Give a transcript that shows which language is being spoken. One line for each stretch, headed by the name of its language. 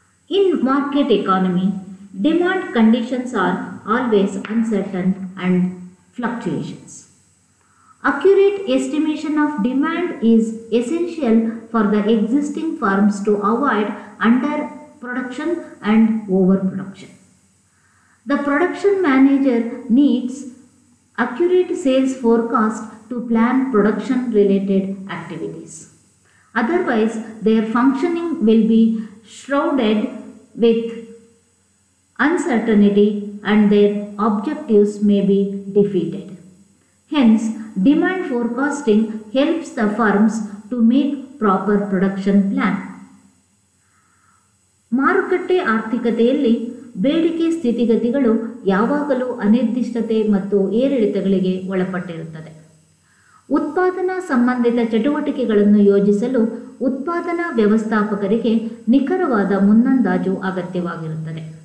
English: In market economy, demand conditions are always uncertain and fluctuations. Accurate estimation of demand is essential for the existing firms to avoid under production and over production. The production manager needs accurate sales forecast to plan production related activities. Otherwise, their functioning will be shrouded with uncertainty and their objectives may be defeated. Hence, demand forecasting helps the firms to make proper production plan.
Kannada: ಮಾರುಕಟ್ಟೆ ಆರ್ಥಿಕತೆಯಲ್ಲಿ ಬೇಡಿಕೆ ಸ್ಥಿತಿಗತಿಗಳು ಯಾವಾಗಲೂ ಅನಿರ್ದಿಷ್ಟತೆ ಮತ್ತು ಏರಿಳಿತಗಳಿಗೆ ಒಳಪಟ್ಟಿರುತ್ತದೆ. ಉತ್ಪಾದನಾ ಸಂಬಂಧಿತ ಚಟುವಟಿಕೆಗಳನ್ನು ಯೋಜಿಸಲು ಉತ್ಪಾದನಾ ವ್ಯವಸ್ಥಾಪಕರಿಗೆ ನಿಖರವಾದ ಮುನ್ನಂದಾಜು ಅಗತ್ಯವಾಗಿರುತ್ತದೆ.